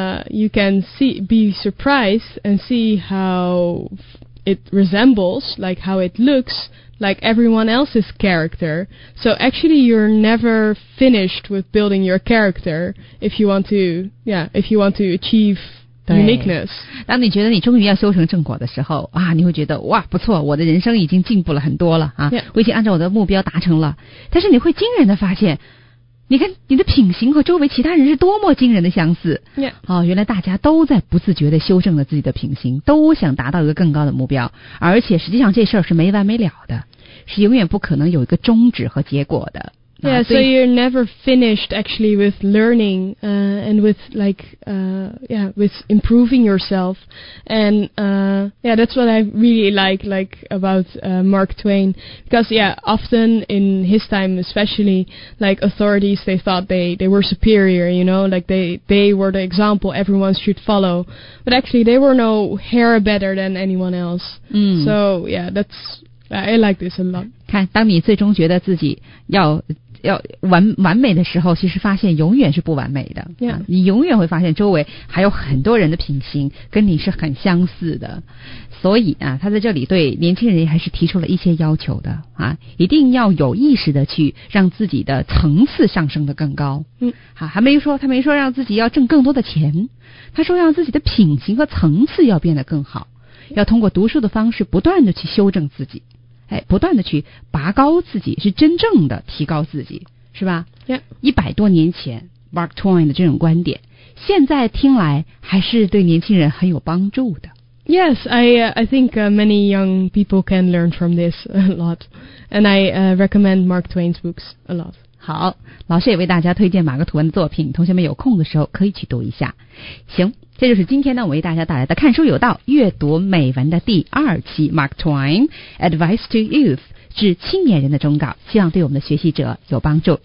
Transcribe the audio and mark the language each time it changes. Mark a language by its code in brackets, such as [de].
[en] you can be surprised and see how it resembles, like how it looks, like everyone else's character. So actually you're never finished with building your character if you want to achieve uniqueness. [zh] 当你觉得你终于要修成正果的时候、啊、你会觉得哇不错，我的人生已经进步了很多了、啊 [en] yeah. [zh] 我已经按照我的目标达成了，但是你会惊人的发现你看你的品行和周围其他人是多么惊人的相似、 [en] yeah. [zh] 哦、原来大家都在不自觉地修正了自己的品行，都想达到一个更高的目标，而且实际上这事儿是没完没了的，是永远不可能有一个终止和结果的。 [en] Yeah, so you're never finished actually with learning and with like with improving yourself. And that's what I really like about Mark Twain. Because, yeah, often in his time, especially, like, authorities, they thought they were superior, you know? Like, they were the example everyone should follow. But actually, they were no hair better than anyone else. Mm. So, yeah, that's... I like this a lot. [zh] 看，当你最终觉得自己要要完美的时候，其实发现永远是不完美的。 [en] Yeah. [zh] 啊、你永远会发现周围还有很多人的品行跟你是很相似的。所以啊，他在这里对年轻人还是提出了一些要求的啊，一定要有意识的去让自己的层次上升得更高。嗯，好、啊，他没说让自己要挣更多的钱，他说让自己的品行和层次要变得更好，要通过读书的方式不断的去修正自己。哎，不断的去拔高自己，是真正的提高自己，是吧？一百多年前 Mark Twain 的这种观点，现在听来还是对年轻人很有帮助的。 [en] Yes, I think many young people can learn from this a lot, and I recommend Mark Twain's books a lot. [zh] 好，老师也为大家推荐马克吐温的作品，同学们有空的时候可以去读一下。行，这就是今天呢，我为大家带来的《看书有道》阅读美文的第二期 ，Mark Twain Advice to Youth 致青年人的忠告，希望对我们的学习者有帮助。